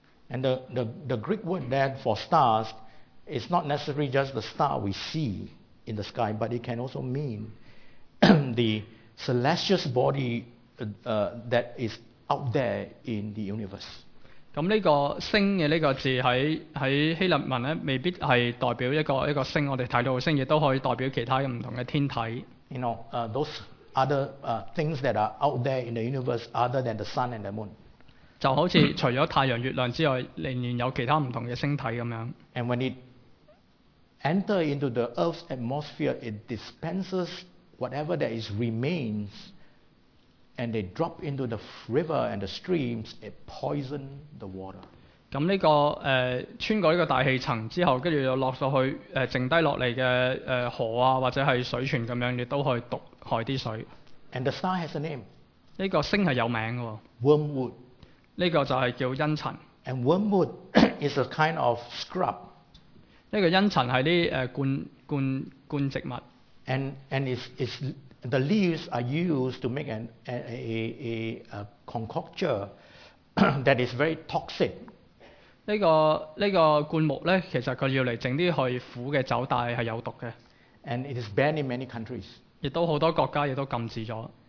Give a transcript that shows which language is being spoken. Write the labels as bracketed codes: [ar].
[en] And the Greek word there for stars is not necessarily just the star we see in the sky, but it can also mean the celestial body that is out there in the universe. [yue] 咁呢個星嘅呢個字喺希臘文咧，未必係代表一個星，我哋睇到嘅星，亦都可以代表其他唔同嘅天體。 [en] You know, those. Other things that are out there in the universe other than the sun and the moon. [yue] 就好似除咗太阳月亮之外，仍然有其他唔同嘅星体咁样。 [en] And when it enter into the earth's atmosphere, it dispenses whatever that is remains, and they drop into the river and the streams. It poison the water. [yue] 咁呢个穿过呢个大气层之后，跟住又落咗去剩低落嚟嘅河啊，或者系水泉咁样，亦都可以毒。海啲水。 [en] And the star has a name. [yue] 呢個星係有名嘅。 [en] Wormwood. [yue] 呢個就係叫陰塵。 [en] And wormwood is a kind of scrub. [yue] 呢個陰塵係啲灌植物。 [en] And it's the leaves are used to make a concocture that is very toxic. [yue] 呢個灌木咧，其實佢要嚟整啲去苦嘅酒，但係有毒嘅。 [en] And it is banned in many countries. [yue] 亦都好多國家亦都禁止咗。